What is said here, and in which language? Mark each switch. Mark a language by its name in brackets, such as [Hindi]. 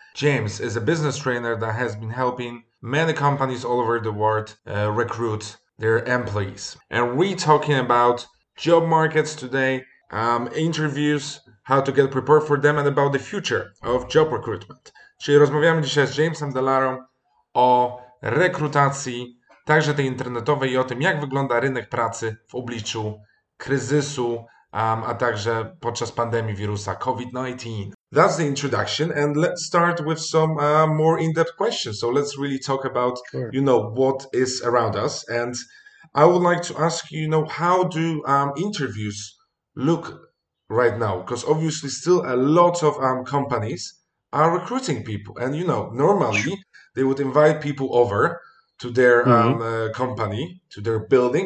[English] James is a business trainer that has been helping many companies all over the world recruit their employees. And we're talking about job markets today, interviews, how to get prepared for them, and about the future of job recruitment. [Polish] Czyli rozmawiamy dzisiaj z Jamesem De Larą o rekrutacji, także tej internetowej, i o tym, jak wygląda rynek pracy w obliczu kryzysu, a także podczas pandemii wirusa COVID-19. [English] That's the introduction, and let's start with some more in-depth questions. So let's really talk about, sure. you know, what is around us. And I would like to ask you, you know, how do interviews look right now, because obviously still a lot of companies are recruiting people, and you know, normally they would invite people over to their company, to their building,